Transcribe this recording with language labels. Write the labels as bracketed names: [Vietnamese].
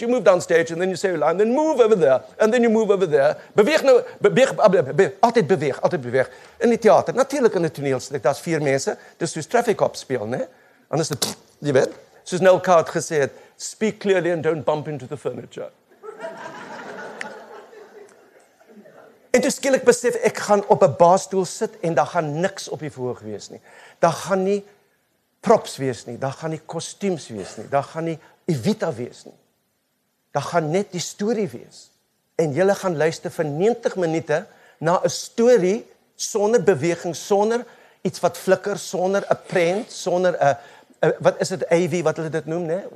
[English] You move downstage and then you say your line. Then move over there. And then you move over there. [Afrikaans] Beweeg nou, altyd beweeg. In die theater, natuurlijk in die toneelstuk, daar is 4 mense. Dis soos Traffic Cop speel, ne? En is dit, jy weet, soos Neil Kaart gesê het, [English] speak clearly and don't bump into the furniture. [Afrikaans] En toe skielik besef, ek gaan op 'n baarstoel sit en daar gaan niks op die verhoog wees nie. Daar gaan nie props wees nie, daar gaan nie kostuums wees nie, daar gaan nie Evita wees nie. Daar gaan net die storie wees. En julle gaan luister vir 90 minute na 'n storie sonder beweging, sonder iets wat flikker, sonder 'n prent, sonder 'n, wat is dit, AV, wat hulle dit noem, ne?